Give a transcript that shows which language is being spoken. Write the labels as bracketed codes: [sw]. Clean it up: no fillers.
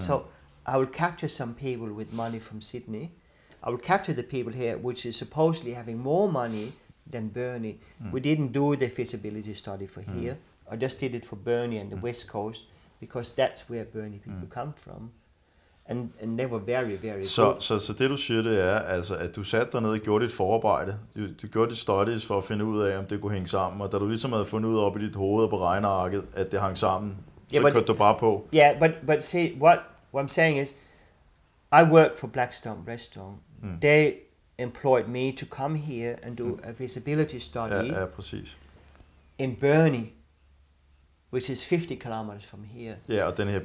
[en] So I will capture some people with money from Sydney. I will capture the people here, which is supposedly having more money than Burnie. Mm. We didn't do the feasibility study for here. I just did it for Burnie and the West Coast, because that's where Burnie people come from. And they were very, very good. [da] Så det du siger, det er, altså, at du satte dig ned og gjorde dit forarbejde. Du gjorde dit studies for at finde ud af, om det kunne hænge sammen. Og da du ligesom havde fundet ud op i dit hoved og på regnearket, at det hang sammen, kørte du bare på. [en] Yeah, but see, what I'm saying is, I worked for Blackstone Restaurant. They employed me to come here and do a feasibility study. [da] Ja, præcis. [en] In Burnie, which is 50 kilometers from here. [da] Yeah, og den her by.